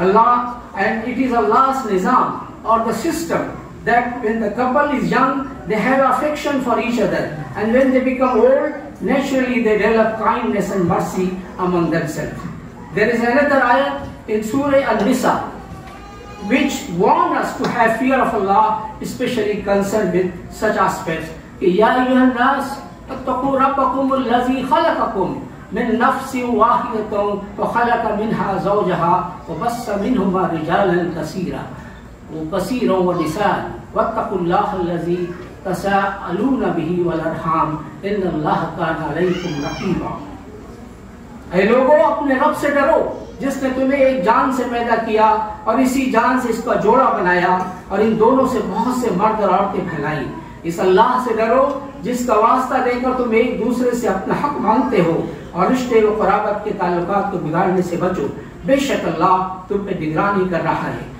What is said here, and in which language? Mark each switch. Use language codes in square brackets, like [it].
[en] Allah, and it is Allah's nizam or the system that when the couple is young, they have affection for each other, and when they become old, naturally they develop kindness and mercy among themselves. There is another ayat in Surah Al-Nisa which warns us to have fear of Allah, especially concerned with such aspects. [ar] يَا أَيُّهَا النَّاسُ اتَّقُوا رَبَّكُمُ الَّذِي خَلَقَكُمْ من نفس واحدة وخلق منها زوجها وبص منهما رجالا كثيرا وكثيرا ونساء واتقوا الله الذي تساءلون به والأرحام إن الله كان عليكم رقيبا. [ur] اے لوگو اپنے رب سے ڈرو جس نے تمہیں ایک جان سے پیدا کیا اور اسی جان سے اس کا جوڑا بنایا اور ان دونوں سے بہت سے مرد اور عورتیں پھیلائیں. اس اللہ سے ڈرو جس کا واسطہ دے کر تم ایک دوسرے سے اپنا حق مانگتے ہو اور رشتے و قرابت کے تعلقات کو بگاڑنے سے بچو, بے شک اللہ تم پہ نگرانی کر رہا ہے.